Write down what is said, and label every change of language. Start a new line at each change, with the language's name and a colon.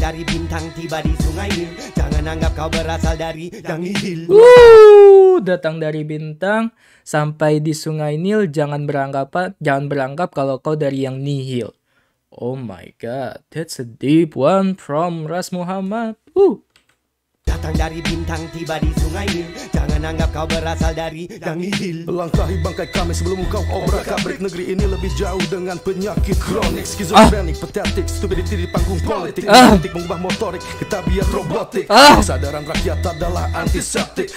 Indonesian: Dari bintang tiba di sungai Nil, jangan anggap kau berasal dari yang nihil. Datang dari bintang sampai di sungai Nil, jangan beranggap kalau kau dari yang nihil.
English: Oh my god, that's a deep one from Ras Muhammad.
Indonesian: Datang dari bintang tiba di sungai Nil, jangan anggap kau berasal dari yang nihil. Langkahi bangkai kami sebelum kau obrak-abrik. Negeri ini lebih jauh dengan penyakit kronik, skizofrenik,
English: pathetic, stupidity
Indonesian: di panggung politik. Politik mengubah motorik, kita biar robotik. Kesadaran rakyat adalah antiseptik.